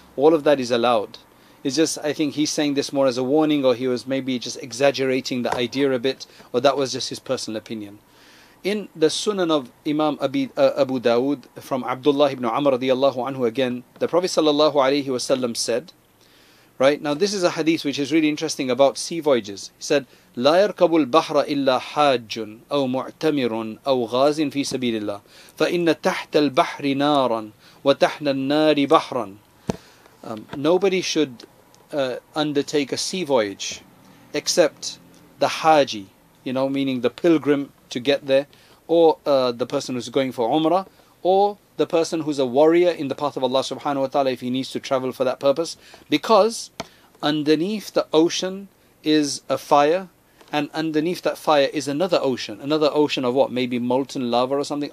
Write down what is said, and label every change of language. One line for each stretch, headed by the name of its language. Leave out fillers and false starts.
English: All of that is allowed. It's just, I think he's saying this more as a warning, or he was maybe just exaggerating the idea a bit, or that was just his personal opinion. In the Sunan of Imam Abu Dawud from Abdullah ibn Amr radiallahu anhu again, the Prophet sallallahu alayhi wasallam said, right, now this is a hadith which is really interesting about sea voyages.
Arabic: He said, لا يركب البحر إلا حاج أو معتمر أو غاز في سبيل الله فإن تحت البحر نارا وتحت النار بحرا.
English: Nobody should undertake a sea voyage except the haji, you know, meaning the pilgrim to get there, or the person who's going for Umrah, or the person who's a warrior in the path of Allah subhanahu wa ta'ala if he needs to travel for that purpose, because underneath the ocean is a fire, and underneath that fire is another ocean of what, maybe molten lava or something.